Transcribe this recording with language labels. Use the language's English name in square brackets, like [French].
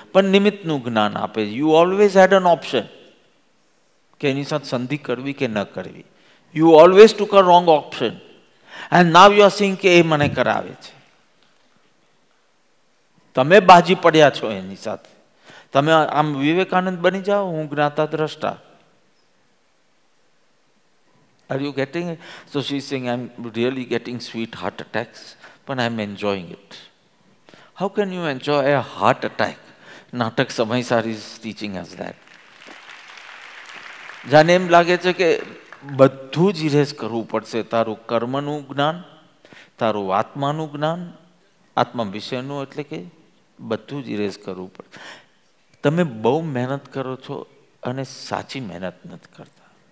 [Gujarati] પણ નિમિત્તનું જ્ઞાન આપે. [English] you always had an option [Gujarati] કે એની સાથે સંધિ કરવી કે ન કરવી. [English] you always took a wrong option and now you are seeing [Gujarati] કે એ મને કરાવે છે. તમે બાજી પડ્યા છો એની સાથે. તમે આમ વિવેકાનંદ બની જાઓ, હું જ્ઞાતા દ્રષ્ટા. [English] Are you getting it? So she's saying, I'm really getting sweet heart attacks, but I'm enjoying it. How can you enjoy a heart attack? Natak Samaysaar is teaching us that. [Gujarati] જાને એમ લાગે છે કે બધું જ ઇરેઝ કરવું પડશે. તારું કર્મનું જ્ઞાન, તારું આત્માનું જ્ઞાન, આત્મા વિષયનું, એટલે કે બધું જ ઇરેઝ કરવું પડે. તમે બહુ મહેનત કરો છો અને સાચી મહેનત નથી કરતા.